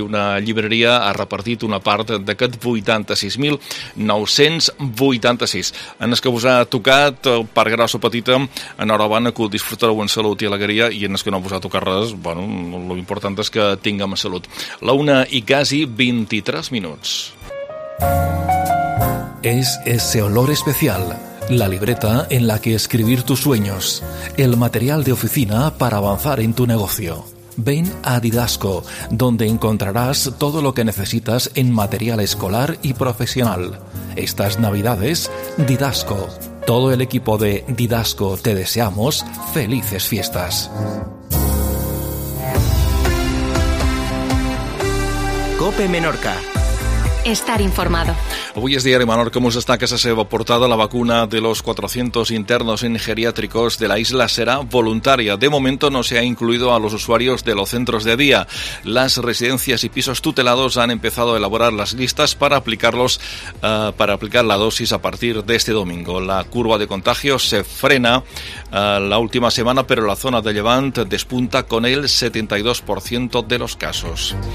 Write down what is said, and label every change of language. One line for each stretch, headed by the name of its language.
Catalan: Una llibreria ha repartit una part d'aquest 86.986. En els que vos ha tocat, part grossa o petita, enhorabona, que ho disfrutareu en salut i alegria, i en els que no vos ha tocat res, bueno, l'important és que tinguem salut. La 1:23.
Spanish: Es ese olor especial, la libreta en la que escribir tus sueños, el material de oficina para avanzar en tu negocio. Ven a Didasco, donde encontrarás todo lo que necesitas en material escolar y profesional. Estas Navidades, Didasco. Todo el equipo de Didasco te deseamos felices fiestas. COPE Menorca. Estar informado.
Catalan: Avui és Diari Menorca, mos destaca la seva portada.
Spanish: La vacuna de los 400 internos en geriátricos de la isla
Catalan: serà voluntària.
Spanish: De momento no se ha incluido a los usuarios de los centros de día. Las residencias y pisos tutelados han empezado a elaborar las listas para aplicar la dosis a partir de este domingo. La curva de contagios se frena la última semana, pero la zona de Levant despunta con el 72% de los casos.